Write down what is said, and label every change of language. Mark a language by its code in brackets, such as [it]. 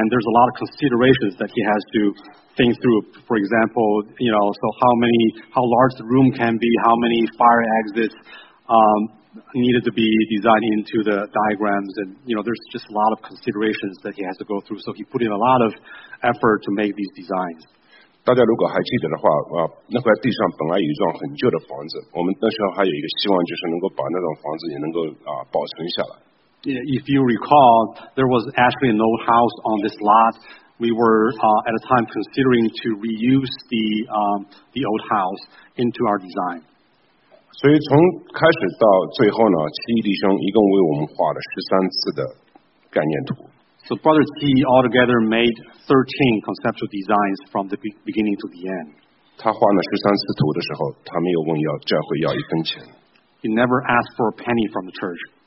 [en] And there's a lot of considerations that he has to. Think through, for example, you know, so how large the room can be, how many fire exits needed to be designed into the diagrams, and you know, there's just a lot of considerations that he has to go through. So he put in a lot of effort to make these designs. [zh] 大家如果还记得的话，那块地上本来有一幢很旧的房子，我们那时候还有一个希望，就是能够把那幢房子也能够保存下来。 [en] If you recall, there was actually an old house on this lot. We were at a time considering to reuse the old house into our design. [zh] 所以从开始到最后呢，七弟兄一共为我们画了13次的概念图。 [en] So Brother T altogether made 13 conceptual designs from the beginning to the end. [zh] 他画了13次图的时候，他没有问教会要一分钱。 [en] He never asked for a penny from the church.